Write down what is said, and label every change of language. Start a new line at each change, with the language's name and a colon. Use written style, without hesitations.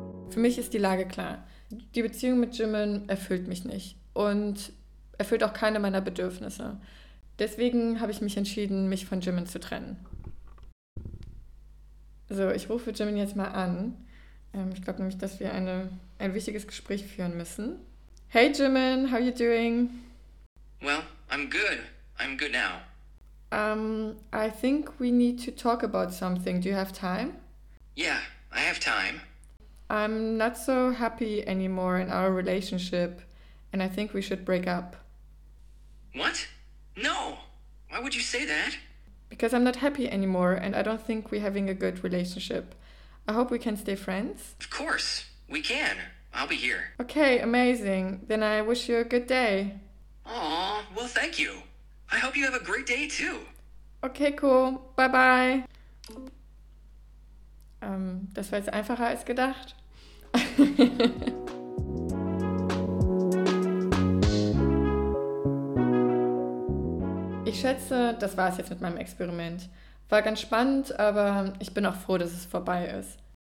German: Für mich ist die Lage klar. Die Beziehung mit Jimin erfüllt mich nicht und erfüllt auch keine meiner Bedürfnisse. Deswegen habe ich mich entschieden, mich von Jimin zu trennen. So, ich rufe Jimin jetzt mal an. Ich glaube nämlich, dass wir ein wichtiges Gespräch führen müssen.
English: Hey Jimin, how are you doing? Well, I'm good now. I think we need to talk about something. Do you have time? Yeah, I have time. I'm not so happy anymore in our relationship, and I think we should break up. What? No! Why would you say that? Because I'm not happy anymore, and I don't think we're having a good relationship. I hope we can stay friends. Of course, we can. I'll be here. Okay, amazing. Then I wish you a good day. Aw, well, thank you. I hope you have a great day too. Okay, cool. Bye bye.
German: Das war jetzt einfacher als gedacht. Ich schätze, das war es jetzt mit meinem Experiment. War ganz spannend, aber ich bin auch froh, dass es vorbei ist.